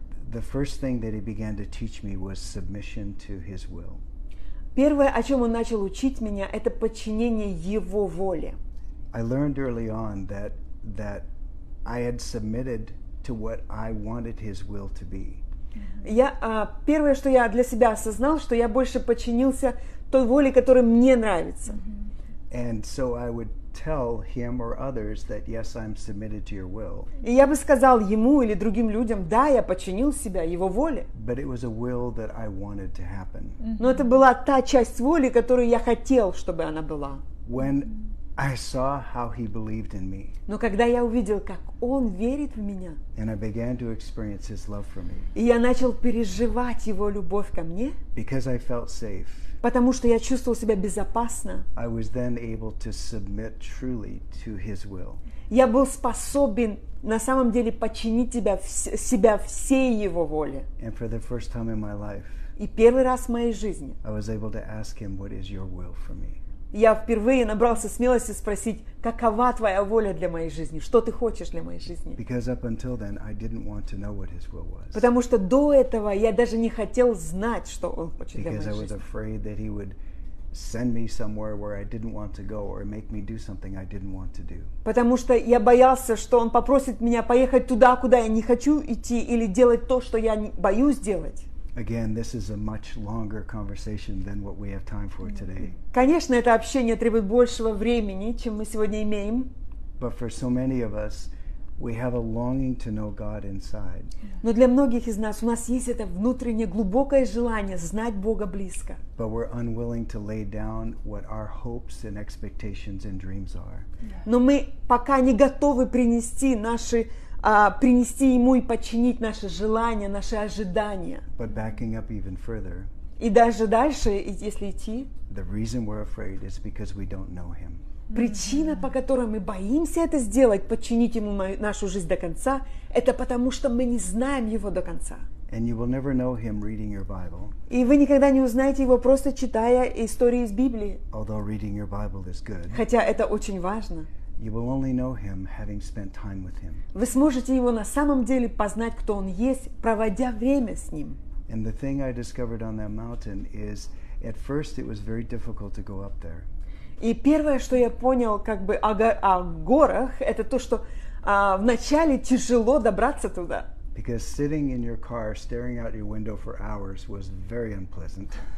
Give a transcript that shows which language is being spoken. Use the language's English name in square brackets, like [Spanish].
[English] the first thing that he began to teach me was submission to his will. [Russian] Первое, о чем он начал учить меня, это подчинение его воле. [English] I learned early on that I had submitted to what I wanted his will to be. [Russian] Первое, что я для себя осознал, что я больше подчинился той воле, которая мне нравится. [English] And so I would tell him or others that yes, I'm submitted to your will. [Russian] И я бы сказал ему или другим людям: "Да, я подчинил себя его воле". [English] But it was a will that I wanted to happen. [Russian] Но это была та часть воли, которую я хотел, чтобы она была. [English] When I saw how he believed in me. [Russian] Но когда я увидел, как он верит в меня. [English] And I began to experience his love for me. [Russian] И я начал переживать его любовь ко мне. [English] Because I felt safe. [Russian] Потому что я чувствовал себя безопасно. [English] I was then able to submit truly to his will. [Russian] Я был способен на самом деле подчинить себя всей его воле. [English] And for the first time in my life. [Russian] И первый раз в моей жизни. [English] I was able to ask him, "What is your will for me?" [Russian] Я впервые набрался смелости спросить, какова твоя воля для моей жизни? Что ты хочешь для моей жизни? [English] Because up until then I didn't want to know what his will was. [Russian] Потому что до этого я даже не хотел знать, что он хочет для моей жизни. [English] Because I was afraid that he would send me somewhere where I didn't want to go or make me do something I didn't want to do. [Russian] Потому что я боялся, что он попросит меня поехать туда, куда я не хочу идти или делать то, что я боюсь делать. [English] Again, this is a much longer conversation than what we have time for today. [Russian] Конечно, это общение требует большего времени, чем мы сегодня имеем. [English] But for so many of us, we have a longing to know God inside. [Russian] Но для многих из нас у нас есть это внутреннее глубокое желание знать Бога близко. [English] But we're unwilling to lay down what our hopes and expectations and dreams are. [Russian] Но мы пока не готовы принести наши принести ему и подчинить наши желания, наши ожидания. [English] But backing up even further, [Russian] и даже дальше, если идти, [English] the reason we're afraid is because we don't know him. [Russian] Причина, по которой мы боимся это сделать, подчинить ему нашу жизнь до конца, это потому, что мы не знаем его до конца. [English] And you will never know him reading your Bible. [Russian] И вы никогда не узнаете его, просто читая истории из Библии. [English] Although reading your Bible is good. [Russian] Хотя это очень важно. [English] You will only know him, having spent time with him. [Russian] Вы сможете его на самом деле познать, кто он есть, проводя время с ним. [English] And the thing I discovered on that mountain is, at first it was very difficult to go up there. [Russian] И первое, что я понял, как бы о горах, это то, что вначале тяжело добраться туда. [English] Because sitting in your car, staring out your window for hours was very unpleasant.